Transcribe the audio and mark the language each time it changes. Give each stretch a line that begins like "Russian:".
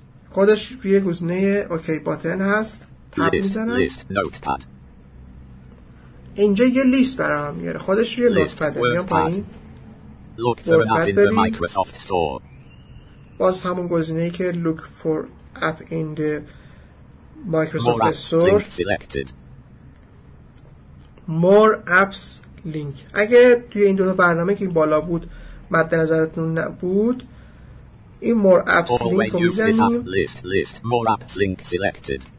Persian: خودش روی گزینه اوکی باتن هست. تب میزنم. اینجا یه لیست برام میاره. خودش روی نوتپد میام پایین.
English: Look for an app in the Microsoft Store.
Persian: باز همون گزینه‌ای که
English: look for app in the Microsoft Store. More apps link.
Persian: اگه توی این دو تا برنامه که این بالا بود مد نظرتون نبود این more apps link رو می‌زنیم.
English: List more apps link selected.